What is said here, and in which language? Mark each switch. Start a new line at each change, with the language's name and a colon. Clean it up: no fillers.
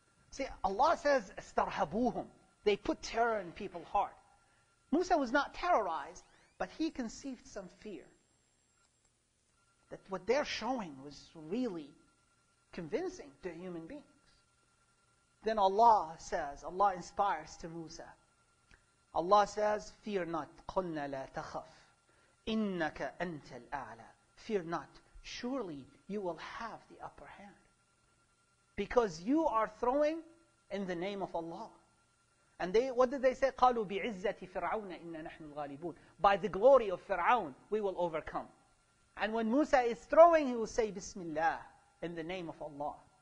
English: See, Allah says, استرهبوهم. They put terror in people's heart. Musa was not terrorized, But he conceived some fear that what they're showing was really convincing to human beings. Then Allah says, Allah inspires to Musa. Allah says, fear not,
Arabic: قُلْنَا لَا تَخَفْ إِنَّكَ أَنْتَ الْأَعْلَى.
English: Fear not, surely you will have the upper hand. Because you are throwing in the name of Allah. And they, what did they say?
Arabic: قَالُوا بِعِزَّةِ فِرْعَوْنَ إِنَّا نَحْنُ الْغَالِبُونَ.
English: By the glory of Fir'aun, we will overcome. And when Musa is throwing, he will say, Bismillah, in the name of Allah.